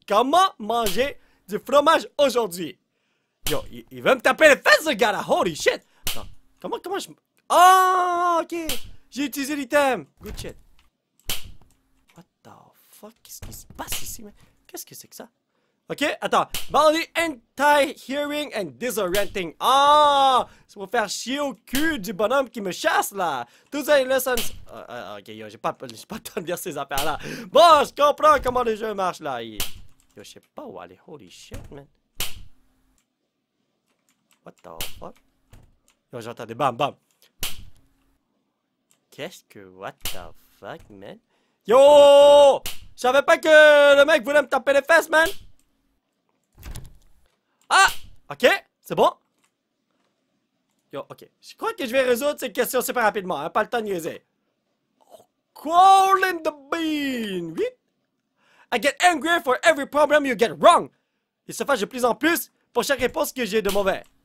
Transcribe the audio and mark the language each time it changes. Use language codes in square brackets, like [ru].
[fr] Comment manger du fromage aujourd'hui? Yo, il va me taper les fesses, ce gars-là. [en] Holy shit. [fr] Attends, comment je... Oh, ok. J'ai utilisé l'item. [en] Good shit. What the fuck? [fr] Qu'est-ce qui se passe ici, mec? Qu'est-ce que c'est que ça? Ok, attends. [en] Body anti-hearing and disorienting. [fr] Oh, c'est pour faire chier au cul du bonhomme qui me chasse, là. Tous les lessons... ok, yo, j'ai pas le temps de dire ces affaires-là. Bon, je comprends comment le jeu marche, là. Yo, je sais pas où aller. [en] Holy shit, man. What the fuck? [fr] Yo, j'entends des bam bam. Qu'est-ce que... [en] What the fuck, man? Yo! [fr] Je savais pas que le mec voulait me taper les fesses, man. Ah! Ok, c'est bon. Yo, ok. Je crois que je vais résoudre ces questions super rapidement. Hein? Pas le temps de niaiser. [en] Call in the bean! [fr] Oui? [en] I get angry for every problem you get wrong! [fr] Il se fâche de plus en plus pour chaque réponse que j'ai de mauvais.